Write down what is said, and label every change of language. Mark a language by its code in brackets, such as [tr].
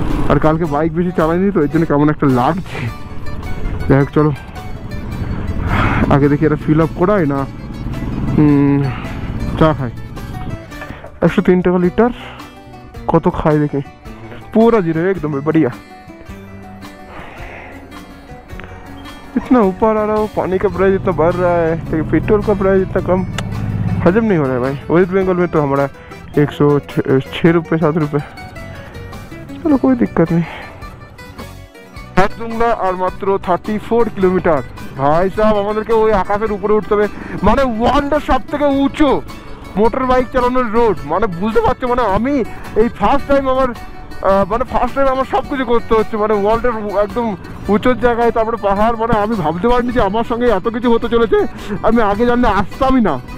[bn] আর কালকে বাইক বেশি চালাইনি, তো এর জন্য কেমন একটা লাগছে। যাই হোক, চলো আগে দেখি এটা ফিল আপ করাই না চা খাই। 103 টাকা লিটার কত খায় দেখে, পুরো জিরো একদম বাড়িয়া। [hi] इतना ऊपर आ रहा हो, पानी का प्राइस इतना बढ़ रहा है, लेकिन पेट्रोल का प्राइस इतना कम, हजम नहीं हो रहा है भाई। वेस्ट बंगाल में तो हमारा 106-107 रुपये, चलो कोई दिक्कत नहीं। [bn] খারদুংলা আর মাত্র 34 কিলোমিটার, ভাই সাহেব আমাদেরকে ওই আকাশের উপরে উঠতে হবে, মানে ওয়ার্ল্ড সব থেকে উঁচু মোটর বাইক চালানোর রোড, মানে বুঝতে পারছো, মানে আমি এই ফার্স্ট টাইম, আমার মানে ফার্স্ট টাইম আমার সব কিছু করতে হচ্ছে, মানে ওয়ার্ল্ডের একদম উঁচুর জায়গায়, তারপরে পাহাড়, মানে আমি ভাবতে পারিনি যে আমার সঙ্গে এত কিছু হতে চলেছে, আমি আগে জানলে আসতামই না।